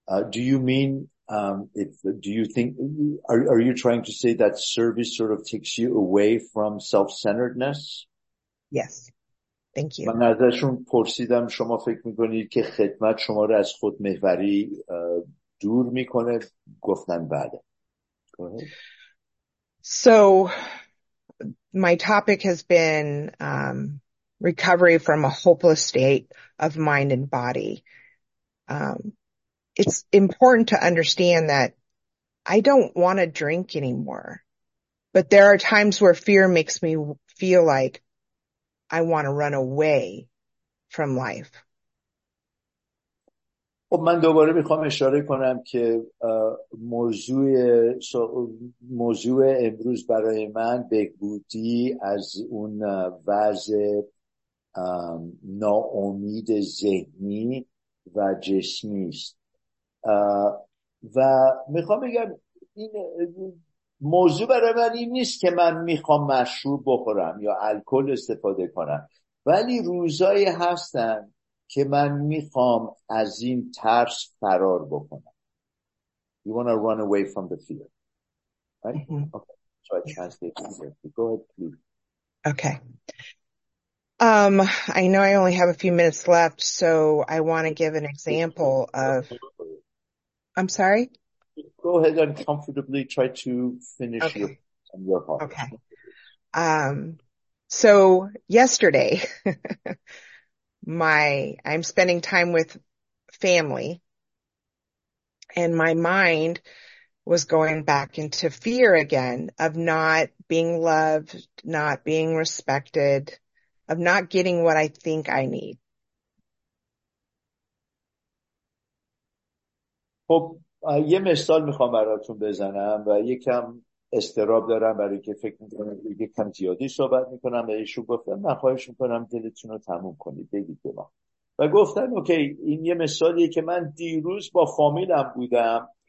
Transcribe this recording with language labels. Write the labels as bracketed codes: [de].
[en] Do you mean if do you think are you trying to say that service sort of takes you away from self-centeredness? Yes. Thank you. [fa] من ازشون پرسیدم شما فکر میکنید که خدمت شما رو از خودمحوری دور میکنه؟ گفتن بله. [en] So my topic has been recovery from a hopeless state of mind and body. It's important to understand that I don't want to drink anymore, but there are times where fear makes me feel like I want to run away from life. [fa] خب من دوباره میخوام اشاره کنم که موضوع امروز برای من بهبودی از اون وضع ناامید ذهنی و جسمی است و میخوام بگم این موضوع برای من این نیست که من میخوام مشروب بخورم یا الکل استفاده کنم، ولی روزایی هستن که من میخوام از این ترس فرار بکنم. [en] You want to run away from the fear. Right? Mm-hmm. Okay. So I translate it here. Go ahead, please. Okay. I know I only have a few minutes left, so I want to give an example of... I'm sorry? Go ahead and comfortably try to finish okay. your heart. Okay. So yesterday... I'm spending time with family and my mind was going back into fear again of not being loved, not being respected, of not getting what I think I need. [fa] خب یه مثال میخوام براتون بزنم و یکم استراب دارم برای که فکر میکنم یکم زیادی صحبت میکنم و ایشون گفتم من خواهش میکنم دلتون رو تموم کنید بگید به ما و گفتم اوکی این یه مثالیه که من دیروز با فامیلم بودم